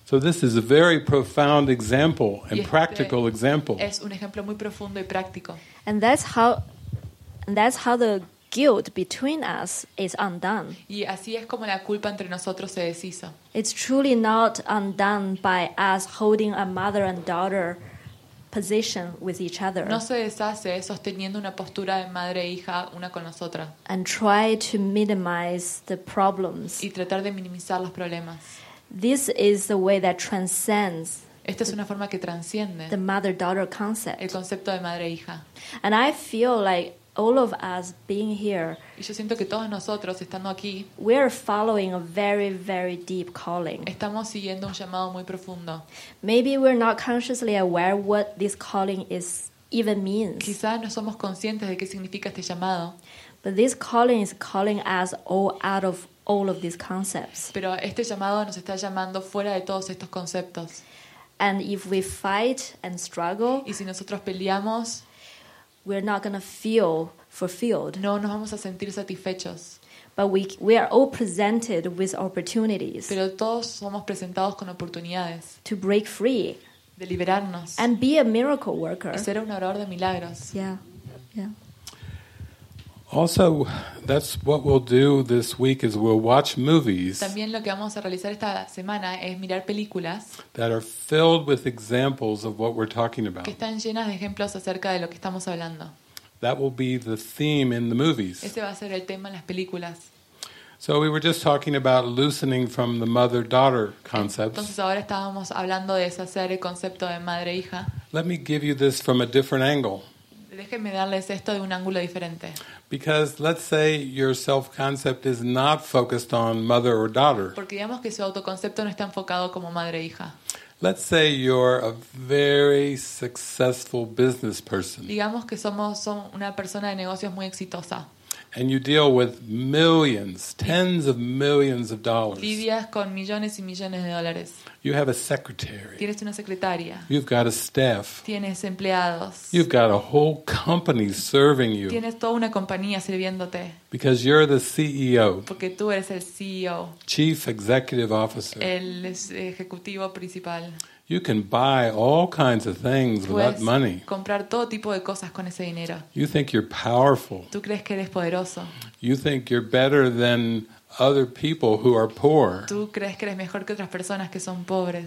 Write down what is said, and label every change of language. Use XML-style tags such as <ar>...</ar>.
<en>So this is a very profound example and practical example.</en> <es>Es un ejemplo muy profundo y práctico.</es> <en>And that's how the guilt between us is undone.</en> <es>Y así es como la culpa entre nosotros se deshizo.</es> <en>It's truly not undone by us holding a mother and daughter position with each other.</en> <es>No se deshace sosteniendo una postura de madre e hija una con la otra.</es> <en>And try to minimize the problems.</en> <es>Y tratar de minimizar los problemas.</es> <en>This is the way that transcends.</en> <es>Esta es una forma que transciende.</es> <en>The mother-daughter concept.</en> <es>El concepto de madre e hija.</es> <en>And I feel like all of us being here.</en> <es>Y yo siento que todos nosotros estando aquí.</es> <en>We are following a very, very deep calling.</en> <es>Estamos siguiendo un llamado muy profundo.</es> <en>Maybe we're not consciously aware what this calling is even means.</en> <es>Quizás no somos conscientes de qué significa este llamado.</es> <en>But this calling is calling us all out of all of these concepts.</en> <es>Pero este llamado nos está llamando fuera de todos estos conceptos.</es> <en>And if we fight and struggle.</en> <es>Y si nosotros peleamos.</es> <en>We're not going to feel fulfilled.</en> <es>No nos vamos a sentir satisfechos.</es> <en>But we are all presented with opportunities.</en> <es>Pero todos somos presentados con oportunidades.</es> <en>To break free.</en> <es>De liberarnos.</es> <en>And be a miracle worker.</en> <es>Y ser un orador de milagros.</es> <en>Yeah. Yeah. Also, that's what we'll do this week is we'll watch movies.</en> <es>También lo que vamos a realizar esta semana es mirar películas.</es> <en>That are filled with examples of what we're talking about.</en> <es>Que están llenas de ejemplos acerca de lo que estamos hablando.</es> <en>That will be the theme in the movies.</en> <es>Ese va a ser el tema en las películas.</es> <en>So we were just talking about loosening from the mother-daughter concepts.</en> <es>Entonces ahora estábamos hablando de deshacer el concepto de madre-hija.</es> <en>Let me give you this from a different angle.</en> <es>Déjenme darles esto de un ángulo diferente.</es> <en>Because let's say your self-concept is not focused on mother or daughter.</en> <es>Porque digamos que su autoconcepto no está enfocado como madre-hija.</es> <en>Let's say you're a very successful business person.</en> <es>Digamos que son una persona de negocios muy exitosa.</es> <en>And you deal with millions, tens of millions of dollars.</en> <es>Lidias con millones y millones de dólares.</es> <en>You have a secretary.</en> <es>Tienes una secretaria.</es> <en>You've got a staff.</en> <es>Tienes empleados.</es> <en>You've got a whole company serving you.</en> <es>Tienes toda una compañía sirviéndote.</es> <en>Because you're the CEO.</en> <es>Porque tú eres el CEO.</es> <en>Chief Executive Officer.</en> <es>El ejecutivo principal.</es> <en>You can buy all kinds of things with that money.</en> <es>Puedes comprar todo tipo de cosas con ese dinero.</es> <en>You think you're powerful.</en> <es>Tú crees que eres poderoso.</es> <en>You think you're better than other people who are poor.</en> <es>Tú crees que eres mejor que otras personas que son pobres.</es>